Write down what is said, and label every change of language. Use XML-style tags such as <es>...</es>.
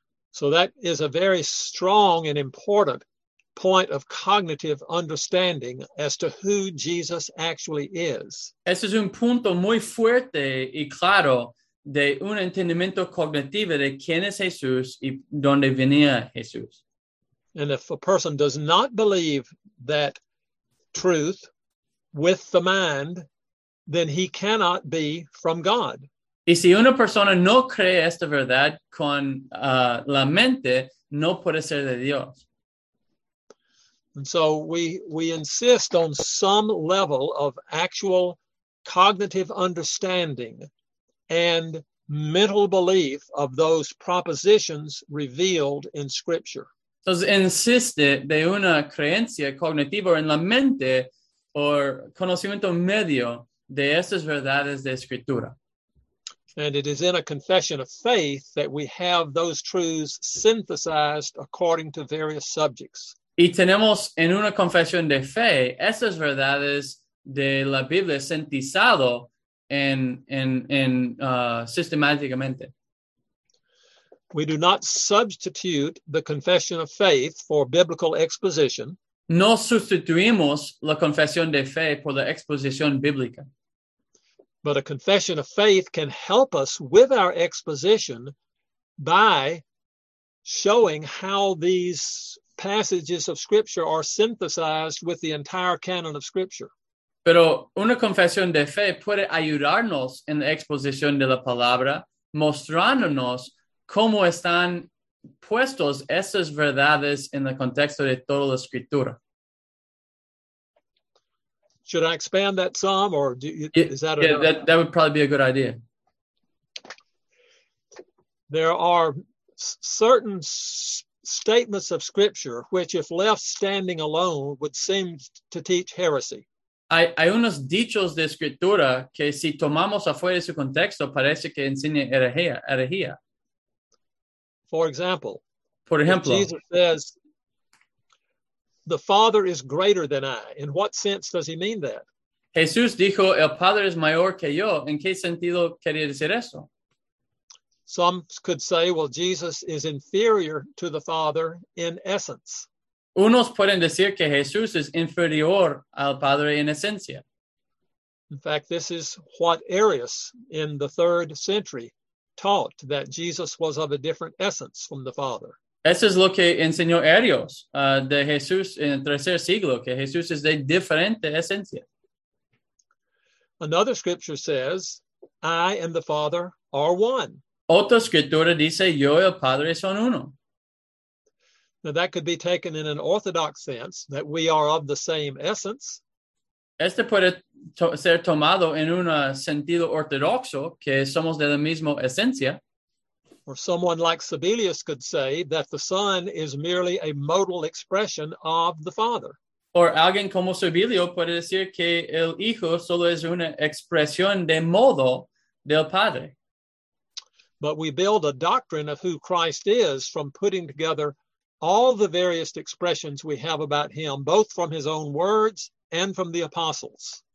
<en>So that is a very strong and important point of cognitive understanding as to who Jesus actually is.</en> <es>Este es un punto muy fuerte y claro de un entendimiento cognitivo de quién es Jesús y dónde venía Jesús.</es> <en>And if a person does not believe that truth with the mind, then he cannot be from God.</en> <es>Y si una persona no cree esta verdad con la mente, no puede ser de Dios.</es> <en>And so we insist on some level of actual cognitive understanding and mental belief of those propositions revealed in Scripture.</en> <es>Entonces insiste de una creencia cognitiva en la mente o conocimiento medio de estas verdades de Escritura.</es> <en>And it is in a confession of faith that we have those truths synthesized according to various subjects.</en> <es>Y tenemos en una confesión de fe esas verdades de la Biblia sintetizado en sistemáticamente.</es> <en>We do not substitute the confession of faith for biblical exposition.</en> <es>No sustituimos la confesión de fe por la exposición bíblica.</es> <en>But a confession of faith can help us with our exposition by showing how these passages of Scripture are synthesized with the entire canon of Scripture.</en> <es>Pero una confesión de fe puede ayudarnos en la exposición de la palabra, mostrándonos cómo están puestos esas verdades en el contexto de toda la Escritura.</es> <en>Should I expand that some, or is that a... Yeah, that would probably be a good idea. There are certain statements of Scripture which, if left standing alone, would seem to teach heresy.</en> <es>Hay unos dichos de Escritura que si tomamos afuera de su contexto parece que enseña herejía.</es> <en>For example, Jesus says, "The Father is greater than I." In what sense does he mean that?</en> <es>Jesús dijo, "El Padre es mayor que yo." ¿En qué sentido quería decir eso?</es> <en>Some could say, "Well, Jesus is inferior to the Father in essence."</en> <es>Unos pueden decir que Jesús es inferior al Padre en esencia.</es> <en>In fact, this is what Arius in the 3rd century taught, that Jesus was of a different essence from the Father.</en> <es>Eso es lo que enseñó Arius de Jesús en el 3er siglo, que Jesús es de diferente esencia.</es> <en>Another scripture says, "I and the Father are one."</en> <es>Otra escritura dice, "Yo y el Padre son uno."</es> <en>Now that could be taken in an orthodox sense, that we are of the same essence.</en> <es>Este puede ser tomado en un sentido ortodoxo, que somos de la misma esencia.</es> <en>Or someone like Sabellius could say that the Son is merely a modal expression of the Father. Or</en> <es>alguien como Sabellius puede decir que el Hijo solo es una expresión de modo del Padre.</es> <en>But we build a doctrine of who Christ is from putting together all the various expressions we have about him, both from his own words and from the apostles.</en>